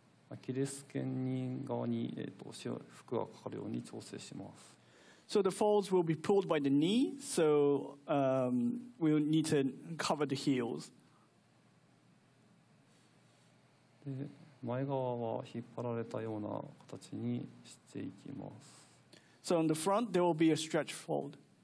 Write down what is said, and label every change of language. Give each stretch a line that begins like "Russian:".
Japanese: アキレス腱に側に服がかかるように調整します。
English: So the folds will be pulled by the knee, so we'll need to cover the heels.
Japanese: で、前側は引っ張られたような形にしていきます。
English: So on the front, there will be a stretch fold.